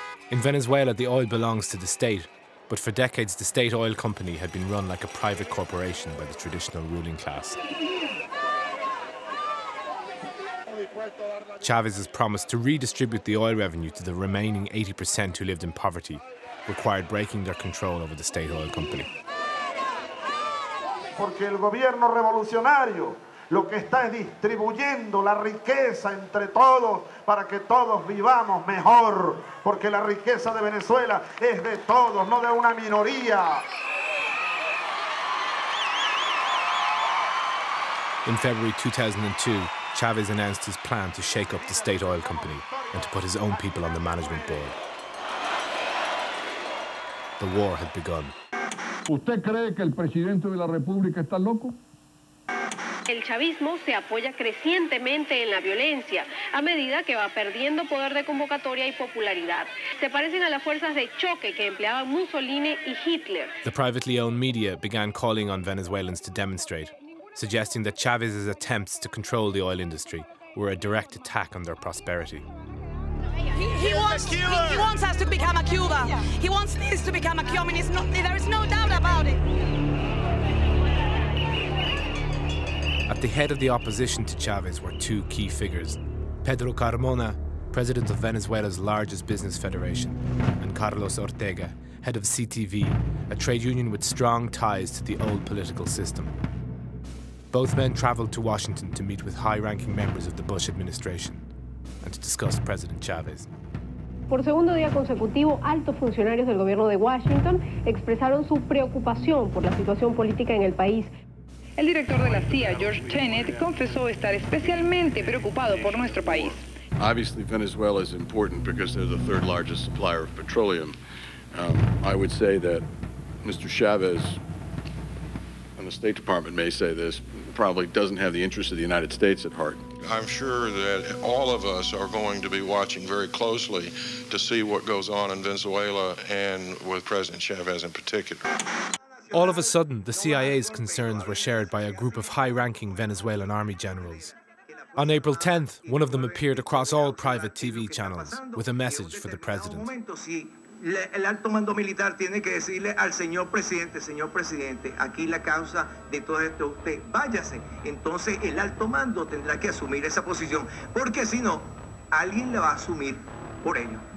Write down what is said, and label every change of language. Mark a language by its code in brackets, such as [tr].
[en] In Venezuela, the oil belongs to the state, but for decades, the state oil company had been run like a private corporation by the traditional ruling class. Chavez has promised to redistribute the oil revenue to the remaining 80% who lived in poverty, required breaking their control over the state oil company. [es] Porque el gobierno revolucionario lo que está es distribuyendo la riqueza entre todos para que todos vivamos mejor, porque la riqueza de Venezuela es de todos, no de una minoría. [en] In February 2002, Chavez announced his plan to shake up the state oil company and to put his own people on the management board. The war had begun. [es] ¿Usted cree que el presidente de la República está loco? El chavismo se apoya crecientemente en la violencia a medida que va perdiendo poder de convocatoria y popularidad. Se parecen a las fuerzas de choque que empleaban Mussolini y Hitler. [en] The privately owned media began calling on Venezuelans to demonstrate, suggesting that Chavez's attempts to control the oil industry were a direct attack on their prosperity. He wants us to become a Cuba. He wants this to become a communist. Not, there is no doubt about it. At the head of the opposition to Chavez were two key figures, Pedro Carmona, president of Venezuela's largest business federation, and Carlos Ortega, head of CTV, a trade union with strong ties to the old political system. Both men traveled to Washington to meet with high-ranking members of the Bush administration and to discuss President Chavez. [es] Por segundo día consecutivo, altos funcionarios del gobierno de Washington expresaron su preocupación por la situación política en el país. El director de la CIA, George Tenet, confesó estar especialmente preocupado por nuestro país. [en] Obviously, Venezuela is important because they're the third largest supplier of petroleum. I would say that Mr. Chavez, and the State Department may say this, probably doesn't have the interests of the United States at heart. I'm sure that all of us are going to be watching very closely to see what goes on in Venezuela and with President Chavez in particular. All of a sudden, the CIA's concerns were shared by a group of high-ranking Venezuelan army generals. On April 10th, one of them appeared across all private TV channels with a message for the president. [es] El alto mando militar tiene que decirle al señor presidente, aquí la causa de todo esto, usted váyase. Entonces el alto mando tendrá que asumir esa posición, porque si no, alguien la va a asumir por ello.